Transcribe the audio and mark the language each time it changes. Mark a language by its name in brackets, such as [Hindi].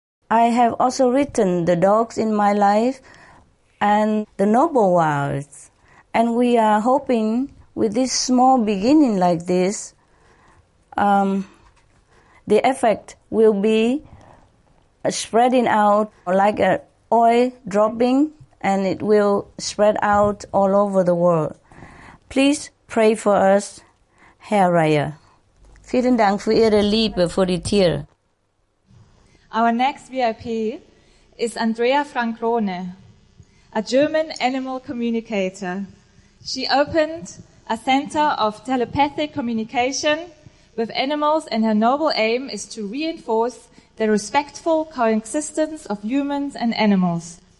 [English] I have also written the dogs in my life and the noble wilds, and we are hoping with this small beginning like this, the effect will be spreading out like a oil dropping, and it will spread out all over the world. Please pray for us, Herr Raya. [German] Vielen Dank für Ihre Liebe für die Tiere. [English] Our next VIP is Andrea Francone, a German animal communicator. She opened a center of telepathic communication with animals, and her noble aim is to reinforce the respectful coexistence of humans and animals.